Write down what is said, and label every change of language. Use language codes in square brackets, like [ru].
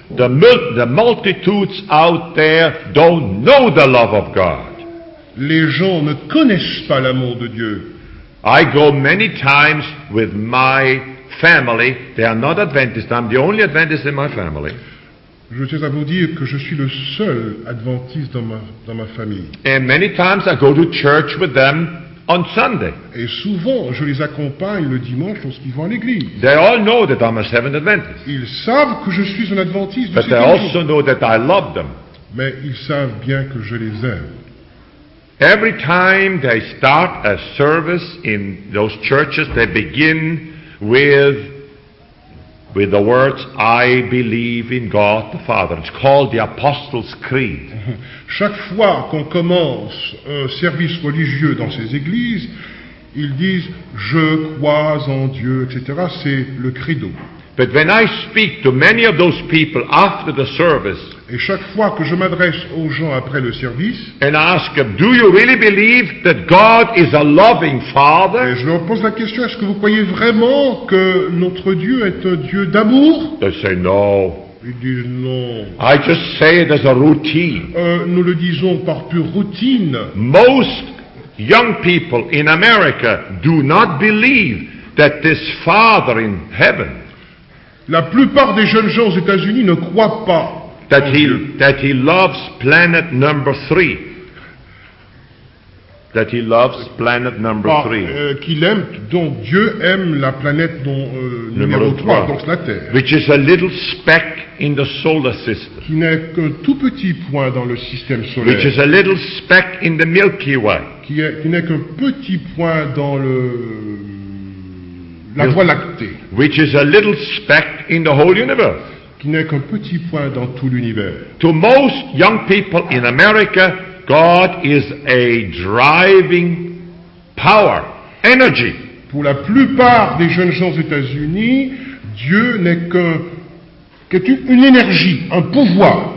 [en] The multitudes out there don't know the love of God. [fr] Les gens ne connaissent pas l'amour de Dieu. [en] I go many times with my family. They are not Adventists. I'm the only Adventist in my family. [fr] Je tiens à vous dire que je suis le seul Adventiste dans ma famille. [en] And many times I go to church with them on Sunday. [fr] Et souvent, je les accompagne le dimanche lorsqu'ils vont à l'église. [en] They all know that I'm a Seventh Adventist. [fr] Ils savent que je suis un Adventiste. [en] But they also know that I love them. [fr] Mais ils savent bien que je les aime. [en] Every time they start a service in those churches, they begin with the words, I believe in God the Father. It's called the Apostles' Creed. [fr] Chaque fois qu'on commence un service religieux dans ces églises, ils disent, je crois en Dieu, etc. C'est le credo. [en] But when I speak to many of those people after the service, [fr] et chaque fois que je m'adresse aux gens après le service, [en] and I ask them, do you really believe that God is a loving Father? [fr] Et je leur pose la question, est-ce que vous croyez vraiment que notre Dieu est un Dieu d'amour? [en] They say no. [fr] Ils disent non. [en] I just say it as a routine. [fr] Nous le disons par pure routine. [en] Most young people in America do not believe that this Father in heaven. [fr] La plupart des jeunes gens aux États-Unis ne croient pas [en] that he loves planet number three. That he loves planet number three. [fr] Qu'il aime, donc Dieu aime la planète numéro 3, donc la Terre. [en] Which is a little speck in the solar system. [fr] Qui n'est qu'un tout petit point dans le système solaire. [en] Which is a little speck in the Milky Way. [fr] Qui n'est qu'un petit point dans le La Voie Lactée, [en] which is a little speck in the whole universe. [fr] Qui n'est qu'un petit point dans tout l'univers. [en] To most young people in America, God is a driving power, energy. [fr] Pour la plupart des jeunes gens aux États-Unis, Dieu n'est qu'une énergie, un pouvoir.